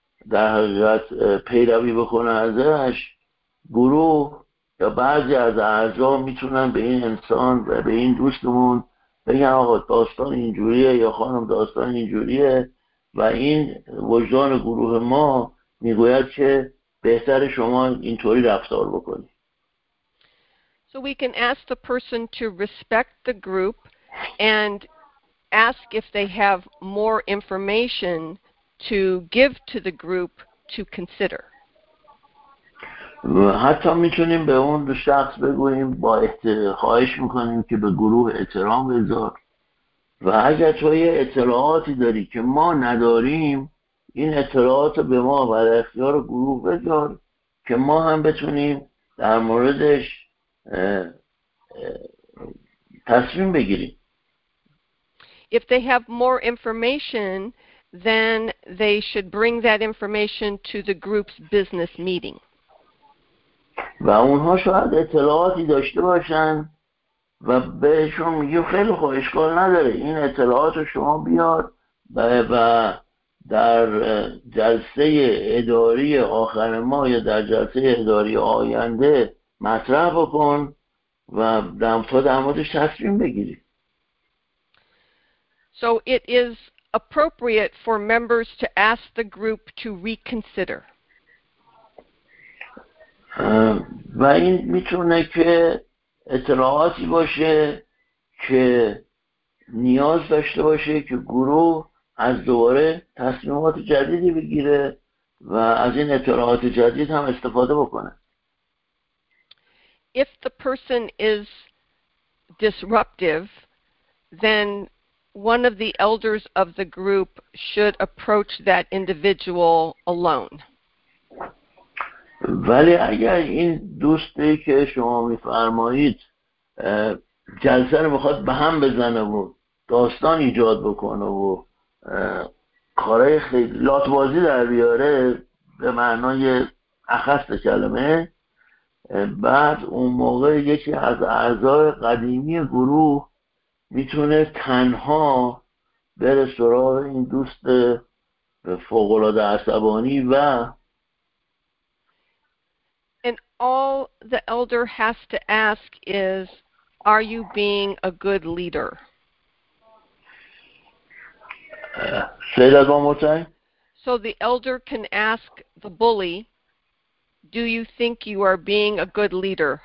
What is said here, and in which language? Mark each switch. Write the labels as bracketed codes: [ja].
[fa] در حقیقت پیروی بکنه ازش، گروه یا بعضی از اعضا میتونن به این انسان و به این دوستمون بگن آقا داستان اینجوریه یا خانم داستان اینجوریه و این وجدان گروه ما میگوید که بهتر شما اینطوری رفتار بکنید. [en] So we can ask the person to respect the group and ask if they have more information to give to the group to consider. [fa] حتی میتونیم به اون شخص بگوییم با خواهش میکنیم که به گروه احترام بذار و اگر تو یه اطلاعاتی داری که ما نداریم این اطلاعات رو به ما و اختیار گروه بذار که ما هم بتونیم در موردش تصمیم بگیریم. [en] If they have more information, then they should bring that information to the group's business meeting. [fa] و اونها شاید اطلاعاتی داشته باشن و بهشون میگه خیلی خوب اشکال نداره این اطلاعات رو شما بیار و در جلسه اداری آخر ما یا در جلسه اداری آینده مطرح بکن و در موردش تصمیم بگیری. [en] So it is appropriate for members to ask the group to reconsider. [fa] و این میتونه که اطلاعاتی باشه که نیاز داشته باشه که گروه از دوباره تصمیمات جدیدی بگیره و از این اطلاعات جدید هم استفاده بکنه. [en] If the person is disruptive, then one of the elders of the group should approach that individual alone. [fa] ولی اگر این دوستی که شما میفرمایید جلسه رو میخواد به هم بزنه و داستان ایجاد بکنه و کارهای خیلی لاتبازی در بیاره به معنای اخص کلمه، بعد اون موقع یکی از اعضای قدیمی گروه میتونه تنها بره سراغ این دوست فوق‌العاده عصبانی و [en] And all the elder has to ask is, are you being a good leader? Say that one more time. So the elder can ask the bully, do you think you are being a good leader?